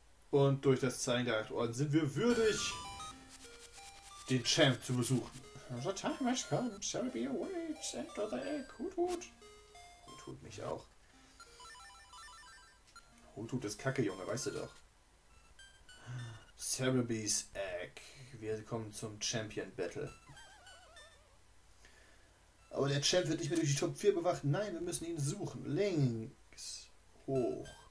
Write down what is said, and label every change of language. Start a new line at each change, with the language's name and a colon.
German: Und durch das Zeichen der acht Orden sind wir würdig, den Champ zu besuchen. Unser
English: Time has come, Celebi awaits, enter the egg, Hut Hut.
German: Hut Hut mich auch. Hut Hut ist Kacke, Junge, weißt du doch. Celebi's Egg. Wir kommen zum Champion Battle. Aber der Champ wird nicht mehr durch die Top 4 bewacht. Nein, wir müssen ihn suchen. Links. Hoch.